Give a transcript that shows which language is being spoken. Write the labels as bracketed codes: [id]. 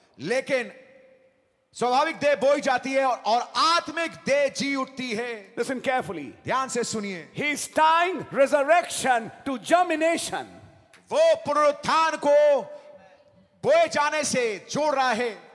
[hi] लेकिन स्वाभाविक देह बोई जाती है और आत्मिक देह जी उठती है [en] Listen carefully, [hi] ध्यान से सुनिए [en] He is tying resurrection to germination, [hi] वो पुनरुत्थान को बोए जाने से जोड़ रहा है